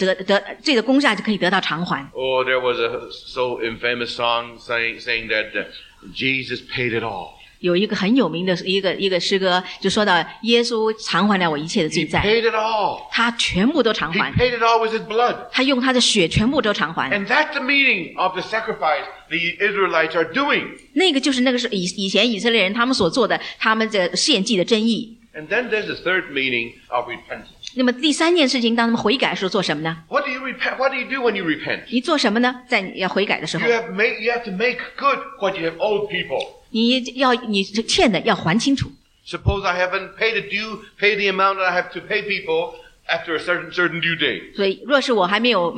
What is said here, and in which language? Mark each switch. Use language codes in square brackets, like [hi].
[zh] 这样子将我们这个罪的工价就可以得到偿还。 [en] Oh, there was a so infamous song saying that Jesus paid it all. [zh] 有一个很有名的一个诗歌，就说到耶稣偿还了我一切的罪债。 [en] He paid it all. [zh] 他全部都偿还。 [en] He paid it all with His blood. [zh] 他用他的血全部都偿还。 [en] And that's the meaning of the sacrifice the Israelites are doing. [zh] 那个就是以前以色列人他们所做的，他们的献祭的真意。 [en] And then there's the third meaning of repentance. [zh] 那么第三件事情，当他们悔改的时候做什么呢？ [en] What do you repent? What do you do when you repent? [zh] 你做什么呢？在你要悔改的时候。 [en] You have to make good what you have owed people. [zh] 你欠的要还清楚。 [en] Suppose I haven't paid the due, pay the amount that I have to pay people after a certain due date.